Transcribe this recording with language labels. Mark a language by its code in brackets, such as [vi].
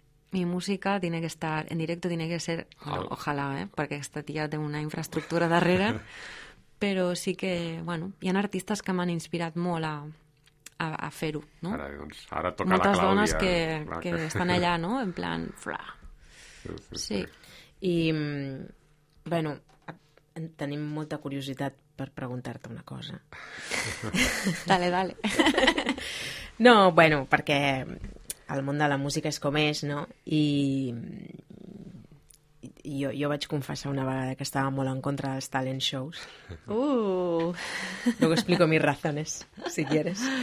[es] Mi música tiene que estar en directo, tiene que ser... [ca] Bueno, [es] ojalá, [ca] perquè aquesta tia té una infraestructura darrere. Però sí que, bueno, hi ha artistes que m'han inspirat molt a fer-ho, no? Ara, doncs, ara toca moltes la Clàudia. Moltes dones que estan allà, no? En plan... Fla. Sí. I, bueno, tenim molta curiositat per preguntar-te una cosa. Dale, dale. No, bueno, perquè el món de la música és com és, no? I... Jo vaig confessar una vegada que estava molt en contra dels talent shows. [es] Luego explico mis razones, si quieres.